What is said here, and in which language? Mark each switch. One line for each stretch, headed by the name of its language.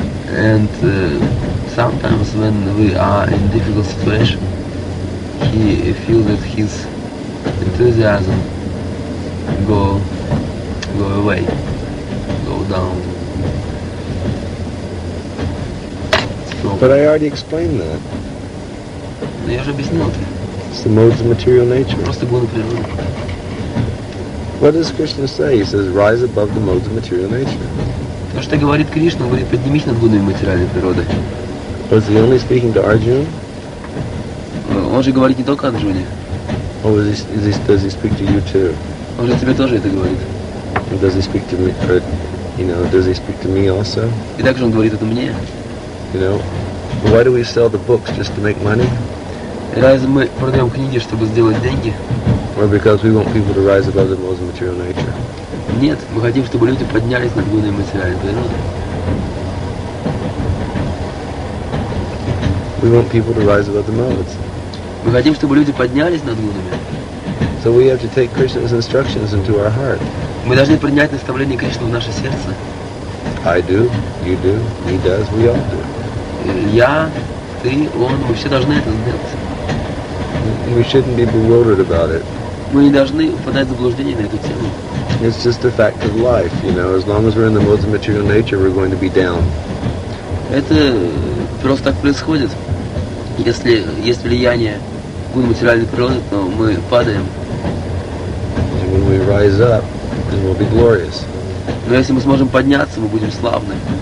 English: And sometimes when we are in difficult situation, he feels that his enthusiasm go away, go down. So, but I already explained that.
Russian: Я же объяснил.
English: It's the modes of material nature.
Russian: Просто было природа.
English: What does Krishna say? He says, rise above the modes of material nature.
Russian: То, что говорит Кришна, говорит, поднимись над гунами материальной природы.
English: Was he only speaking to Arjuna?
Russian: Он же говорит не только Арджуне.
English: Or does he speak to you too?
Russian: Он же тебе тоже это говорит.
English: And does he speak to me, or, you know, does he speak to me also?
Russian: И также он говорит это мне.
English: You know, why do we sell the books just to make money?
Russian: Разве мы продаем книги, чтобы сделать деньги?
English: Or because we want people to rise above the modes of material nature?
Russian: Нет, мы хотим, чтобы люди поднялись над гунами материальной природы.
English: We want people to rise above the modes.
Russian: Мы хотим, чтобы люди поднялись над гунами.
English: So we have to take Krishna's instructions into our heart.
Russian: Мы должны принять наставление Кришны в наше сердце.
English: I do, you do, he does, we all do.
Russian: Я, ты, он, мы все должны это сделать.
English: We shouldn't be bewildered about it.
Russian: Мы не должны впадать в заблуждение на эту тему.
English: It's just a fact of life, you know. As long as we're in the modes of material nature, we're going to be down.
Russian: Это просто так происходит. Если есть влияние гун материальной природы, то мы падаем.
English: And when we rise up, then we'll be glorious.
Russian: Но если мы сможем подняться, мы будем славны.